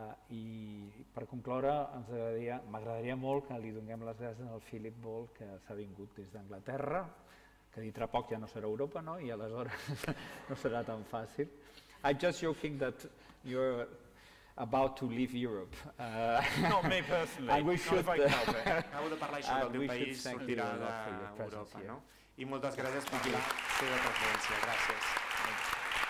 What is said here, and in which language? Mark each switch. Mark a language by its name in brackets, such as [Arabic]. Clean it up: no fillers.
[Catalan] I per concloure, m'agradaria molt que li donem les gràcies al Philip Ball, que s'ha vingut des d'Anglaterra, que dintre poc ja no serà Europa, no? I aleshores no serà tan fàcil. [English] I'm just joking that you're about to leave Europe. Not me personally. I wish you [Catalan] the acabo de parlar això del meu país, sortirà d'Europa, no? I moltes gràcies per la seva presència. Gràcies. [English] Thank you.